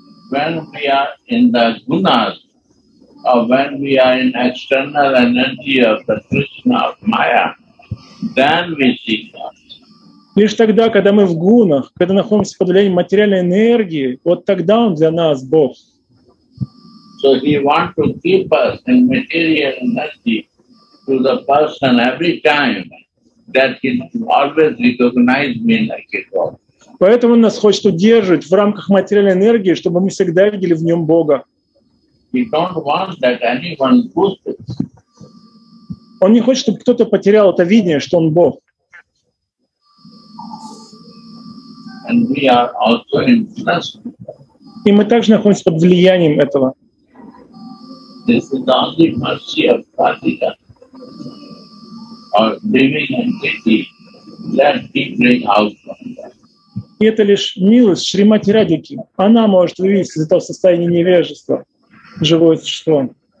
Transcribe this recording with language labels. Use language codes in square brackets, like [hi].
[en] When we are in the gunas, or when we are in external energy of the Krishna of Maya, then we see God. [ru] Лишь тогда, когда мы в гунах, когда находимся под влиянием материальной энергии, вот тогда Он для нас Бог. [en] So He wants to keep us in material energy to the person every time that He always recognizes me like a God. [ru] Поэтому Он нас хочет удерживать в рамках материальной энергии, чтобы мы всегда видели в Нем Бога. [en] He don't want that anyone lose it. [ru] Он не хочет, чтобы кто-то потерял это видение, что Он Бог. [en] And we are also influenced. [ru] И мы также находимся под влиянием этого. [en] This is the only mercy of Radhika, our living entity, that we bring out from that. [ru] И это лишь милость Шримати Радики. Она может вывести из этого состояния невежества живое существо.